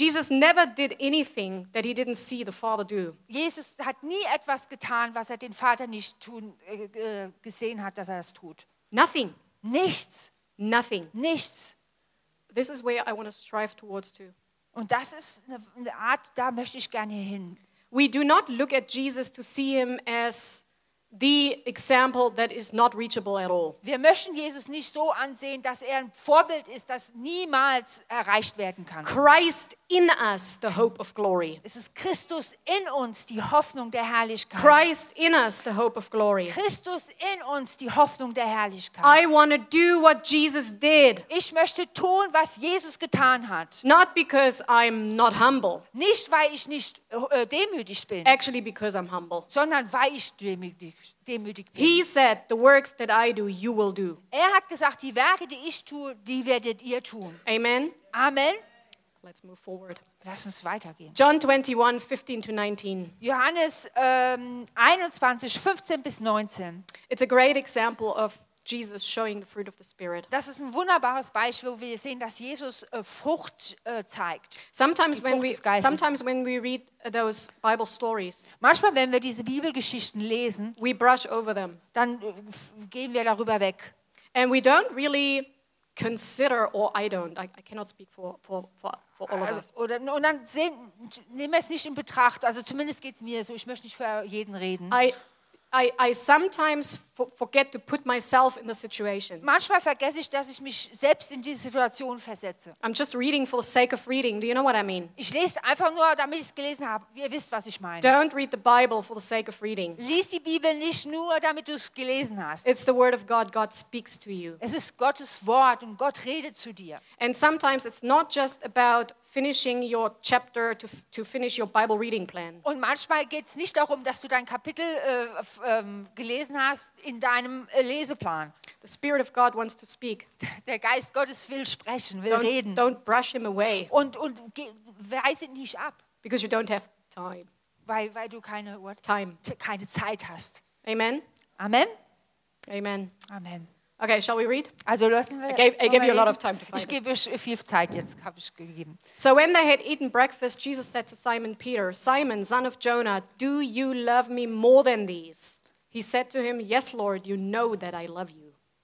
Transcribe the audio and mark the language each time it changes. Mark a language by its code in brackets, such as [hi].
[en] Jesus never did anything that he didn't see the Father do. [de] Jesus hat nie etwas getan, was den Vater nicht gesehen hat, dass es tut. [en] Nothing. [de] Nichts. [en] Nothing. [de] Nichts. [en] This is where I want to strive towards to. [de] Und das ist eine Art, da möchte ich gerne hin. [en] We do not look at Jesus to see him as the example that is not reachable at all. [de] Wir möchten Jesus nicht so ansehen, dass ein Vorbild ist, das niemals erreicht werden kann. [en] Christ in us, the hope of glory. [de] Es ist Christus in uns, die Hoffnung der Herrlichkeit. [en] Christ in us, the hope of glory. [de] Christus in uns, die Hoffnung der Herrlichkeit. [en] I want to do what Jesus did. [de] Ich möchte tun, was Jesus getan hat. [en] Not because I'm not humble. [de] Nicht, weil ich nicht demütig bin. [en] Actually, because I'm humble. [de] Sondern weil ich demütig bin. [en] He said, the works that I do, you will do. [de] Er hat gesagt, die Werke, die ich tue, die werdet ihr tun. [en] Amen. [de] Amen. [en] Let's move forward. [de] Lass uns weitergehen. [en] John 21, 15 to 19. [de] Johannes 21, 15 bis 19. [en] It's a great example of Jesus showing the fruit of the Spirit. [de] Das ist ein wunderbares Beispiel, wo wir sehen, dass Jesus Frucht zeigt. [en] Sometimes when we read those Bible stories. [de] Manchmal, wenn wir diese Bibelgeschichten lesen, [en] we brush over them. [de] Dann gehen wir darüber weg. [en] And we don't really consider, or I don't. I cannot speak for all of us. [de] Oder und dann nehmen wir es nicht in Betracht. Also zumindest geht's mir so. Ich möchte nicht für jeden reden. [en] I I sometimes forget to put myself in the situation. [de] Manchmal vergesse ich, dass ich mich selbst in diese Situation versetze. [en] I'm just reading for the sake of reading. Do you know what I mean? [de] Ich lese einfach nur, damit ich es gelesen habe. Ihr wisst, was ich meine. [en] Don't read the Bible for the sake of reading. [de] Lies die Bibel nicht nur, damit du es gelesen hast. [en] It's the word of God. God speaks to you. [de] Es ist Gottes Wort und Gott redet zu dir. [en] And sometimes it's not just about finishing your chapter to finish your Bible reading plan. [de] Und manchmal geht's nicht darum, dass du dein Kapitel gelesen hast in deinem Leseplan. [en] The Spirit of God wants to speak. [de] Der Geist Gottes will sprechen, will reden. [en] Don't brush him away. [de] Und weise ihn nicht ab. [en] Because you don't have time. [de] Weil du keine [en] what? Time. [de] Keine Zeit hast. [en] Amen. [de] Amen. [en] Amen. [de] Amen. [en] Okay, shall we read? [de] Also lassen wir. [en] I gave you a lot of time to find. [de] Ich gebe euch viel Zeit jetzt, habe ich gegeben. [en] So when they had eaten breakfast, Jesus said to Simon Peter, "Simon, son of Jonah, do you love me more than these?" He said to him, "Yes, Lord, you know that I love you."